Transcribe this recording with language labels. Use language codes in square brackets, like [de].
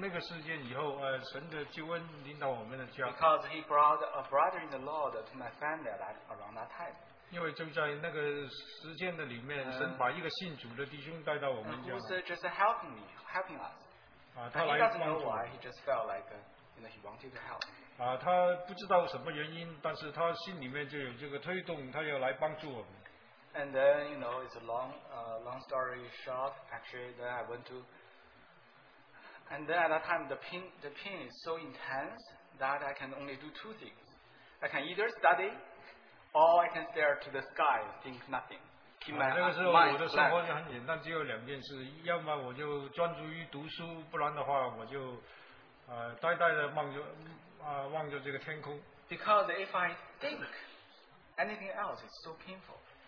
[zh] 我现在回想，自从那个事件以后，神的救恩临到我们的家。 [en] Because he brought a brother in the Lord to my family around that time. [zh] 因为就在那个时间的里面，神把一个信主的弟兄带到我们家。 [en] Who's just helping us. He doesn't know why, he just felt like he wanted to help. [zh] 他不知道什么原因，但是他心里面就有这个推动，他要来帮助我们。And [en] then, you know, it's a long story short. Actually, then I went to. And then at that time, the pain is so intense that I can only do two things. I can either study, or I can stare to the sky, think nothing. [zh] 那个时候我的生活就很简单，只有两件事：要么我就专注于读书，不然的话我就呆呆的望着。望着这个天空。 [en] Because if I think anything else, it's so painful.